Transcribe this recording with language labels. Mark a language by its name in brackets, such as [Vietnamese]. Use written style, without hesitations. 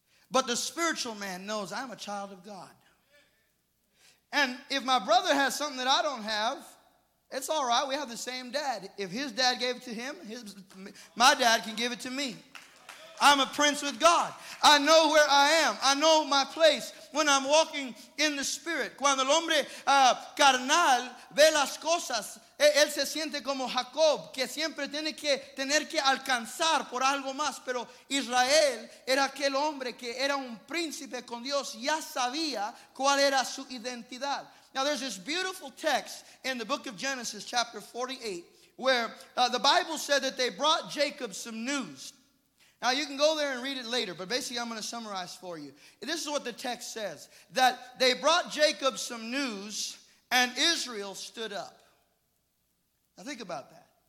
[English] But the spiritual man knows, I'm a child of God. And if my brother has something that I don't have, it's all right. We have the same dad. If his dad gave it to him, my dad can give it to me. I'm a prince with God. I know where I am. I know my place when I'm walking in the spirit. [Spanish] Cuando el hombre carnal ve las cosas, él se siente como Jacob, que siempre tiene que tener que alcanzar por algo más. Pero Israel era aquel hombre que era un príncipe con Dios, ya sabía cuál era su identidad. [English] Now there's this beautiful text in the book of Genesis chapter 48 where the Bible said that they brought Jacob some news. Now you can go there and read it later, but basically I'm going to summarize for you. This is what the text says, that they brought Jacob some news and Israel stood up. Now think about that.